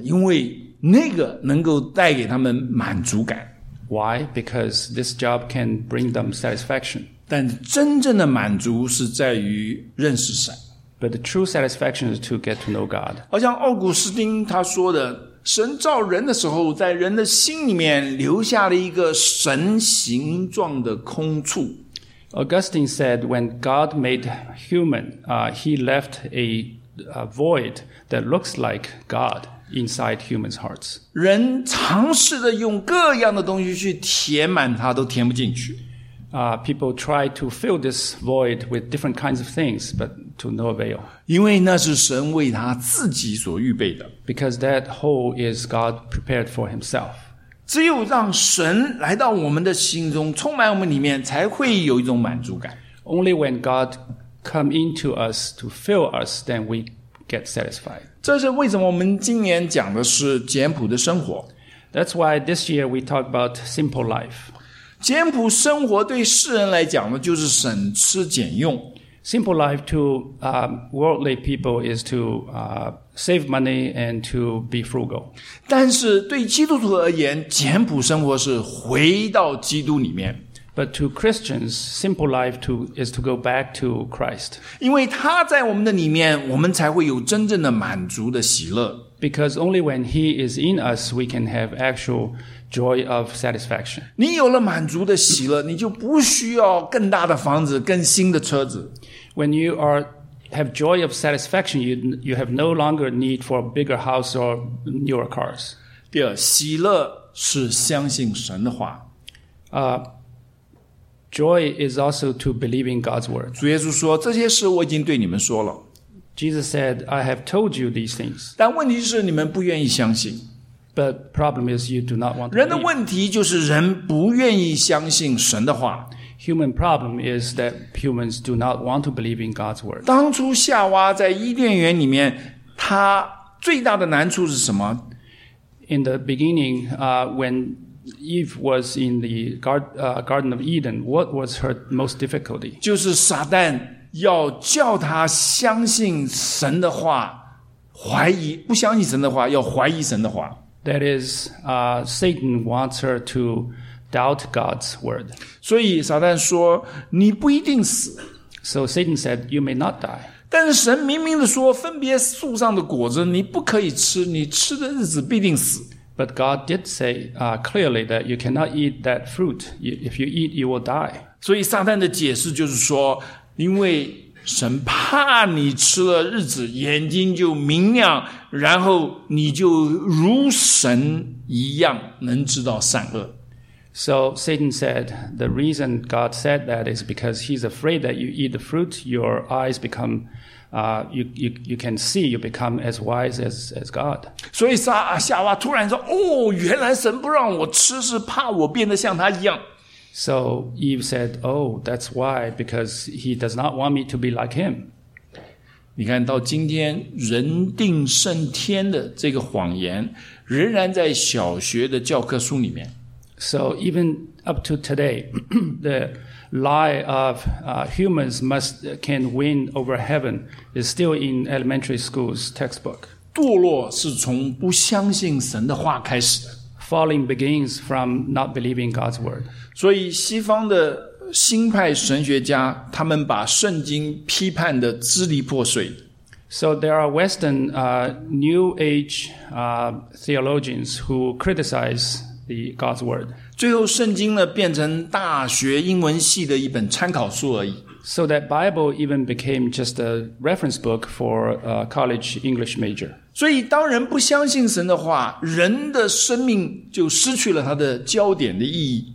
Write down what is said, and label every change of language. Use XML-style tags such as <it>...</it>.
<zh>因为那个能够带给他们满足感。</zh> <en>Why? Because this job can bring them satisfaction.</en> <zh>但真正的满足是在于认识神。</zh> <en>But the true satisfaction is to get to know God.</en> <zh>好像奥古斯丁他说的，神造人的时候在人的心里面留下了一个神形状的空处。</zh> <en>Augustine said when God made human, he left a void that looks like God inside humans' hearts.</en> <zh>人尝试着用各样的东西去填满它都填不进去。</zh> <en>People try to fill this void with different kinds of things, but to no avail.</en> <zh>因为那是神为他自己所预备的。</zh> <en>Because that hole is God prepared for himself.</en> <zh>只有让神来到我们的心中，充满我们里面，才会有一种满足感。</zh> <en>Only when God come into us to fill us, then we get satisfied.</en> <zh>这是为什么我们今年讲的是简朴的生活。</zh> <en>That's why this year we talk about simple life.</en> <zh>简朴生活对世人来讲呢，就是省吃俭用。</zh> <en>Simple life to, worldly people is to, save money and to be frugal.</en> <zh>但是对基督徒而言，简朴生活是回到基督里面。</zh> <en>But to Christians, simple life to, is to go back to Christ.</en> <zh>因为他在我们的里面，我们才会有真正的满足的喜乐。</zh> <en>Because only when he is in us, we can have actual joy of satisfaction.</en> <zh>你有了满足的喜乐，你就不需要更大的房子，更新的车子。</zh> <en>When you are, have joy of satisfaction, you have no longer need for a bigger house or newer cars.</en> <zh>第二，喜乐是相信神的话。</zh> <en>Joy is also to believe in God's word.</en> <zh>主耶稣说，这些事我已经对你们说了。</zh> <en>Jesus said, I have told you these things.</en> <zh>但问题是你们不愿意相信。</zh> <en>But problem is you do not want to.</en> <zh>人的问题就是人不愿意相信神的话。</zh> <en>Human problem is that humans do not want to believe in God's word.</en> <zh>当初夏娃在伊甸园里面，她最大的难处是什么？</zh> <en>In the beginning, when Eve was in the Garden of Eden, what was her most difficulty?</en> <zh>就是撒旦要叫她相信神的话，怀疑，不相信神的话，要怀疑神的话。</zh> <en>That is, Satan wants her to doubt God's word.</en> <zh>所以撒旦说你不一定死。</zh> <en>So Satan said, you may not die.</en> <zh>但是神明明的说分别树上的果子你不可以吃，你吃的日子必定死。</zh> <en>But God did say, clearly that you cannot eat that fruit. If you eat, you will die.</en> <zh>所以撒旦的解释就是说，因为神怕你吃了日子眼睛就明亮，然后你就如神一样能知道善恶。</zh> <en>So Satan said, the reason God said that is because he's afraid that you eat the fruit, your eyes become, you can see, you become as wise as God.</en> <zh>所以夏娃突然说，哦，原来神不让我吃是怕我变得像他一样。</zh> <en>So Eve said, oh, that's why, because he does not want me to be like him.</en> <zh>你看到今天人定胜天的这个谎言仍然在小学的教科书里面。</zh> <en>So even up to today, the lie of humans can win over heaven is still in elementary school's textbook.</en> <zh>堕落是从不相信神的话开始的。</zh> <en>Falling begins from not believing God's word.</en> <zh>所以西方的新派神学家他们把圣经批判的支离破碎。</zh> <en>So there are Western New Age theologians who criticize the God's word.</en> <zh>最后圣经呢变成大学英文系的一本参考书而已。</zh> <en>So that Bible even became just a reference book for a college English major.</en> <zh>所以当人不相信神的话，人的生命就失去了它的焦点的意义。</zh>